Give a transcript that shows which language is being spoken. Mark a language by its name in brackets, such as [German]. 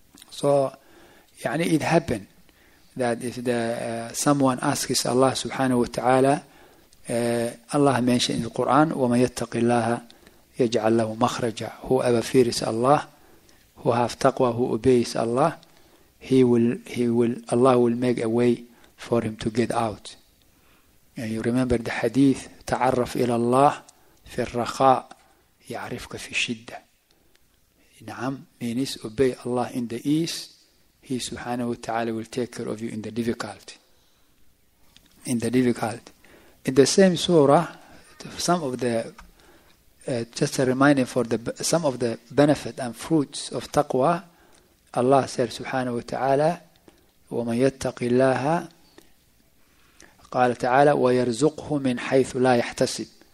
[English] So يعني it happened that if the someone asks Allah subhanahu wa ta'ala, Allah mentioned in the Quran, [Arabic] وَمَنْ يَتَّقِ اللَّهَ يَجْعَلْ لَهُ مَخْرَجًا. [English] Whoever fears Allah, who have taqwa, who obeys Allah, Allah will make a way for him to get out. And you remember the hadith, [Arabic] تعرف إلى الله في الرخاء يعرفك في الشدة. [English] نعم, means obey Allah in the ease, he subhanahu wa ta'ala will take care of you in the difficulty. In the same surah, some of the benefit and fruits of taqwa, Allah said subhanahu wa ta'ala, [Arabic] وَمَنْ يَتَّقِ اللَّهَ قَالَ تَعَالَى وَيَرْزُقْهُ مِنْ حَيْثُ لَا يَحْتَسِبْ.